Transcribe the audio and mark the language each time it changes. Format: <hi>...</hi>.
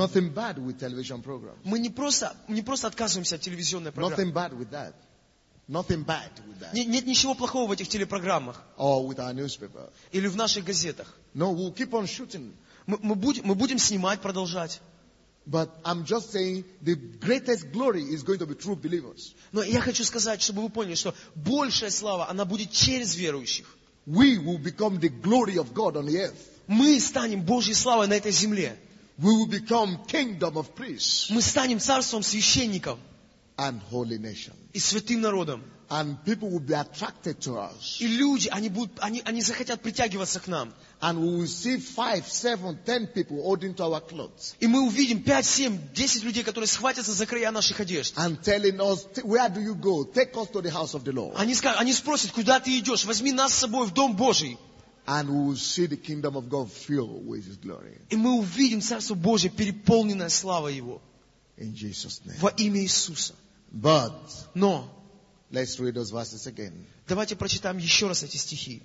<en>Nothing bad with television programs.</en> <ru>Мы не просто отказываемся от телевизионной программы.</ru> <en>Nothing bad with that. Nothing bad with that.</en> <ru>Нет ничего плохого в этих телепрограммах.</ru> <en>Or with our newspaper.</en> <ru>Или в наших газетах.</ru> <en>No, we'll keep on shooting.</en> <ru>Мы будем снимать, продолжать.</ru> <en>But I'm just saying the greatest glory is going to be through believers.</en> <ru>Но я хочу сказать, чтобы вы поняли, что большая слава она будет через верующих.</ru> <en>We will become the glory of God on the earth.</en> <ru>Мы станем Божьей славой на этой земле.</ru> <en>We will become kingdom of priests.</en> <ru>Мы станем царством священников.</ru> <en>And holy nation.</en> <ru>И святым народом.</ru> <en>And people will be attracted to us.</en> <ru>И люди, они захотят притягиваться к нам.</ru> <en>And we will see 5, 7, 10 people holding to our clothes.</en> <ru>И мы увидим 5, 7, 10 людей, которые схватятся за края наших одежд.</ru> <en>And telling us, where do you go? Take us to the house of the Lord.</en> <ru>Они спросят, куда ты идешь? Возьми нас с собой в дом Божий.</ru> <en>And we will see the kingdom of God filled with His glory.</en> <ru>И мы увидим царство Божие, переполненное славой Его.</ru> <en>In Jesus' name.</en> <ru>Во имя Иисуса.</ru> <en>But.</en> <ru>Но.</ru> <en>Let's read those verses again.</en> <ru>Давайте прочитаем еще раз эти стихи.</ru>